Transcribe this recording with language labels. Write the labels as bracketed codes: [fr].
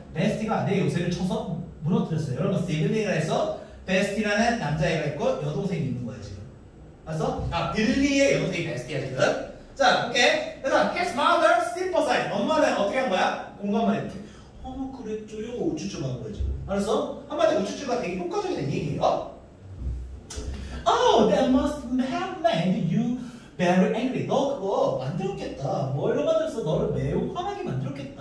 [ko] Basti가 내 요새를 쳐서 무너뜨렸어요 여러분 Billy가 해서 Basti라는 남자애가 있고 여동생이 있는 거야 지금 알았어? 아, Billy의 여동생이 Basti야 지금 자, 오케이 그래서 [en] his mother sympathized [ko] 엄마는 어떻게 한 거야? 공감을 했대 어머 그랬죠요 우쭈쭈 한 거야 지금 알았어? 한마디 우쭈쭈가 되게 효과적인 얘기예요. [en] Oh, that must have made you very angry. [ko] 너 그거 만들었겠다. 뭘로 만들어서 너를 매우 화나게 만들었겠다.